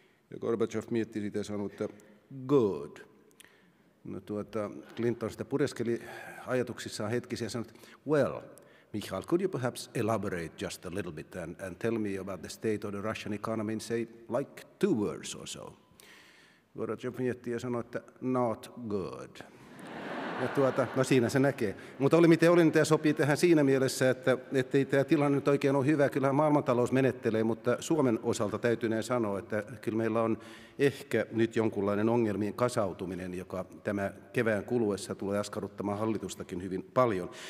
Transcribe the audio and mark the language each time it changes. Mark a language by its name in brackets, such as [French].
[Finnish] Ja Gorbachev mietti sitä ja sanoi, että good. No Clinton sitä pureskeli ajatuksissaan hetkisiä ja sanoi, [English] well, Mikhail, could you perhaps elaborate just a little bit and tell me about the state of the Russian economy in, say, like two words or so? [Finnish] Gorbachev mietti ja sanoi, että [English] not good. [Finnish] Ja no siinä se näkee. Mutta oli miten oli, niin tämä sopii tähän siinä mielessä, että ei tämä tilanne nyt oikein ole hyvä. Kyllähän maailmantalous menettelee, mutta Suomen osalta täytyneen sanoa, että kyllä meillä on ehkä nyt jonkunlainen ongelmien kasautuminen, joka tämä kevään kuluessa tulee askarruttamaan hallitustakin hyvin paljon.